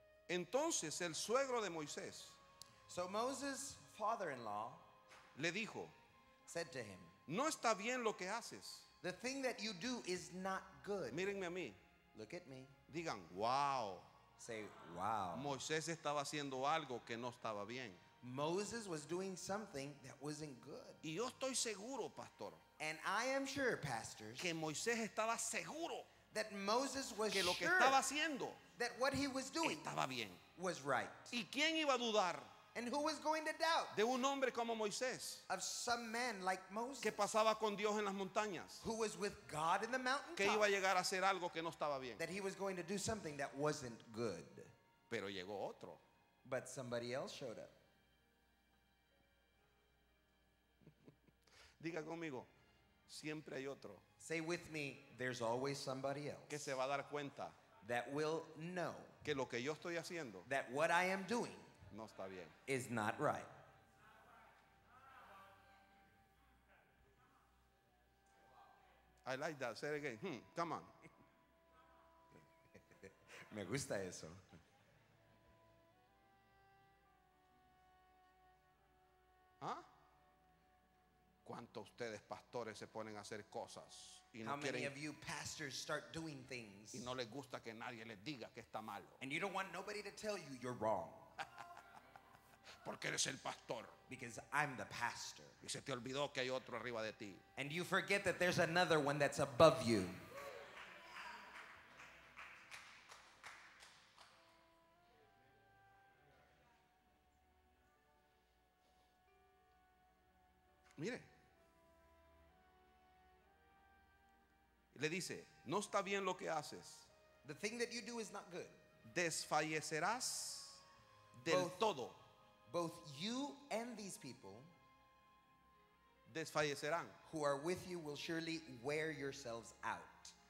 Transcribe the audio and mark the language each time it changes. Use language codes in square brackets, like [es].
[es] Entonces, el suegro de Moisés. [en] So Moses' father-in-law. [es] Le dijo. [en] Said to him. [es] No está bien lo que haces. [en] The thing that you do is not good. [es] Mírenme a mí. [en] Look at me. [es] Digan, wow. [en] Say, wow. [es] Moisés estaba haciendo algo que no estaba bien. [en] Moses was doing something that wasn't good. [es] Y yo estoy seguro, pastor. [en] And I am sure, pastors, [es] que Moisés estaba seguro [en] that Moses was [es] que lo que estaba haciendo [en] that what he was doing [es] estaba bien. [en] Was right. [es] ¿Y quién iba a dudar? [en] And who was going to doubt? [es] De un hombre como Moisés. [en] Of some man like Moses. [es] Que pasaba con Dios en las montañas. [en] Who was with God in the mountaintop. [es] Que iba a llegar a hacer algo que no estaba bien. [en] That he was going to do something that wasn't good. [es] Pero llegó otro. [en] But somebody else showed up. [es] Diga conmigo, siempre hay otro. [en] Say with me, there's always somebody else. [es] Que se va a dar cuenta. [en] That will know. [es] Que lo que yo estoy haciendo. [en] That what I am doing. [es] No está bien. [en] Is not right. I like that. Say it again. Come on. [es] Me gusta eso. ¿Ah? ¿Cuántos ustedes pastores se ponen a hacer cosas y no quieren? [en] How many of you pastors start doing things? [es] Y no les gusta que nadie les diga que está malo. [en] And you don't want nobody to tell you you're wrong. [es] Porque eres el pastor. [en] Because I'm the pastor. [es] Y se te olvidó que hay otro arriba de ti. [en] And you forget that there's another one that's above you. [es] Mire. Le dice, no está bien lo que haces. [en] The thing that you do is not good. [es] Desfallecerás del todo. [en] Both you and these people, [es] desfallecerán, [en] who are with you, will surely wear yourselves out.